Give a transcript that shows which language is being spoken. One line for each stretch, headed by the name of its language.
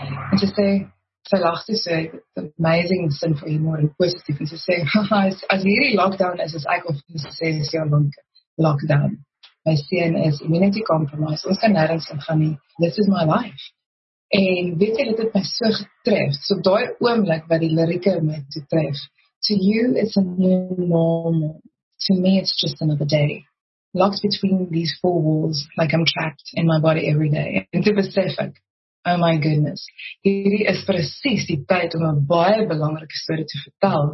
Afrikaans: En sy lag toe so,
English: amazing sin for humor
Afrikaans: en positief, en sy sê, as hierdie lockdown is, as ek of sy sê, is jou lang lockdown. My seun is
English: immunity compromised.
Afrikaans: Ons kan nêrens gaan nie.
English: This is my life.
Afrikaans: En weet jy, dit het my so getref. So daai oomblik wat die lirieke my getref.
English: To you, it's a new normal. To me, it's just another day. Locked between these four walls, like I'm trapped in my body every day.
Afrikaans: En to besef ek,
English: oh my goodness.
Afrikaans: Hierdie is precies die tyd om 'n baie belangrike storie te vertel.